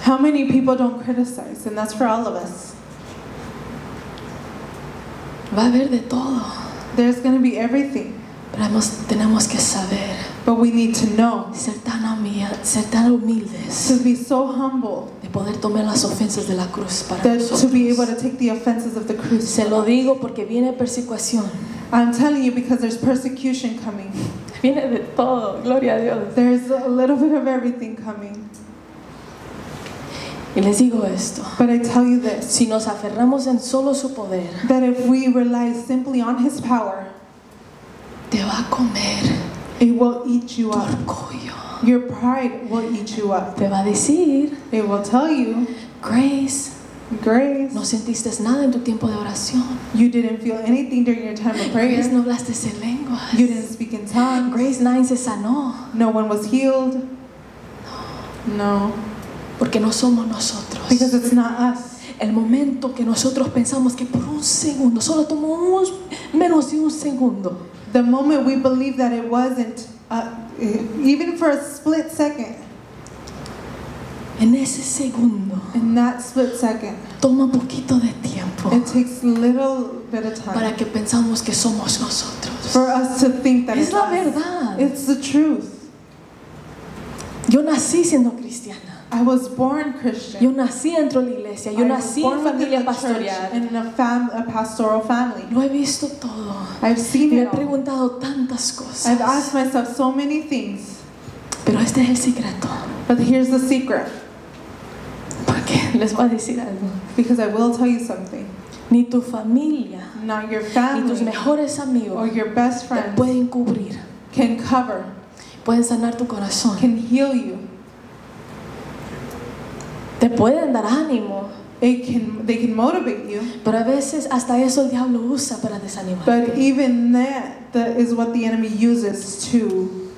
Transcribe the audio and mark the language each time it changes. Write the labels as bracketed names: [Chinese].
[English] How many people don't criticize? And that's for all of us. [Spanish] Va a haber de todo. [English] There's going to be everything. [Spanish] Pero tenemos que saber. [English] But we need to know. [Spanish] Ser tan humildes. [English] To be so humble. [Spanish] De poder tomar las ofensas de la cruz para [English] To be able to take the offenses of the cruz. [Spanish] Se lo digo porque viene persecución. [English] I'm telling you because there's persecution coming. [Spanish] Viene de todo. Gloria a Dios. [English] There's a little bit of everything coming. [Spanish] Y les digo esto. [English] But I tell you this. [Spanish] Si nos aferramos en solo su poder. [English] That if we rely simply on his power. [Spanish] Te va a comer. [English] It will eat you up. [Spanish] Orgullo. [English] Your pride will eat you up. [Spanish] Te va a decir. [English] It will tell you. Grace. Grace. [Spanish] No sentiste nada en tu tiempo de oración. [English] You didn't feel anything during your time of prayer. [Spanish] Grace, no hablaste en lenguas. [English] You didn't speak in tongues. [Spanish] Grace, nadie se sanó. [English] No one was healed. [Spanish] No. [English] No. [Spanish] Porque no somos nosotros. [English] Because it's not us. [Spanish] El momento que nosotros pensamos que por un segundo, solo tomó menos de un segundo. [English] The moment we believe that it wasn't, even for a split second. [Spanish] En ese segundo. [English] In that split second. [Spanish] Toma un poquito de tiempo. [English] It takes a little bit of time. [Spanish] Para que pensamos que somos nosotros. [English] For us to think that it's us. [Spanish] Es la verdad. [English] It's the truth. [Spanish] Yo nací siendo cristiana. [English] I was born Christian. [Spanish] Yo nací dentro de la iglesia. Yo nací en familia pastoral. [English] In a pastoral family. [Spanish] Lo he visto todo. [English] I've seen it all. [Spanish] Me he preguntado tantas cosas. [English] I've asked myself so many things. [Spanish] Pero este es el secreto. [English] But here's the secret. [Spanish] ¿Por qué? Les voy a decir algo. [English] Because I will tell you something. [Spanish] Ni tu familia, [English] not your family, [Spanish] ni tus mejores amigos, [English] or your best friends, [Spanish] te pueden cubrir, [English] can cover, [Spanish] pueden sanar tu corazón, [English] can heal you. [Spanish] Te pueden dar ánimo. [English] They can motivate you. [Spanish] Pero a veces hasta eso el diablo usa para desanimarte. [English] But even that is what the enemy uses to.